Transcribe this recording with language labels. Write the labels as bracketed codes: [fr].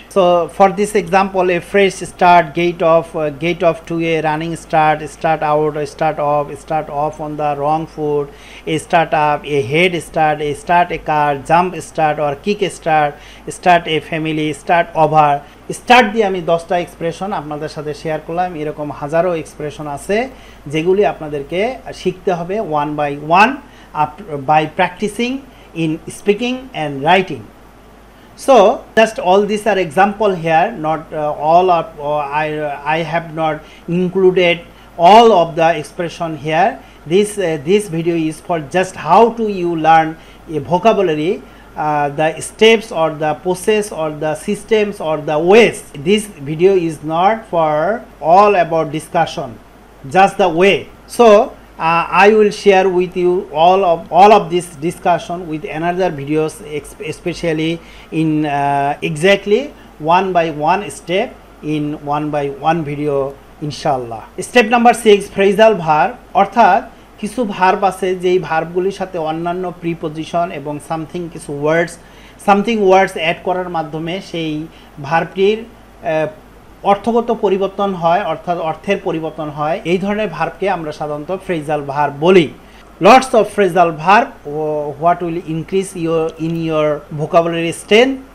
[en] So for this example, a fresh start, get off to a running start, start out, start off on the wrong foot, a start up, a head start, a start a car, jump start or kick start, start a family, start over. [bn] Start দিয়ে আমি 10টা expression আপনাদের সাথে share করলাম, এরকম হাজারো expression আছে যেগুলি আপনাদেরকে শিখতে হবে [en] One by one by practising in speaking and writing. So just all these are example here, not all of I have not included all of the expression here. This video is for just how to you learn a vocabulary, the steps or the process or the systems or the ways. This video is not for all about discussion, just the way. So I will share with you all of this discussion with another videos, especially in exactly one by one step in one by one video, inshallah. Step number 6, phrasal verb. [bn] অর্থাৎ কিছু verb আছে যেই verbগুলির সাথে অন্যান্য preposition এবং something কিছু words, something words add করার মাধ্যমে সেই verbটির অর্থগত পরিবর্তন হয়, অর্থাৎ অর্থের পরিবর্তন হয়। এই ধরনের ভার্বকে আমরা সাধারণত ফ্রেজাল ভার্ব বলি। [en] Lots of phrasal verb, what will increase in your vocabulary strength.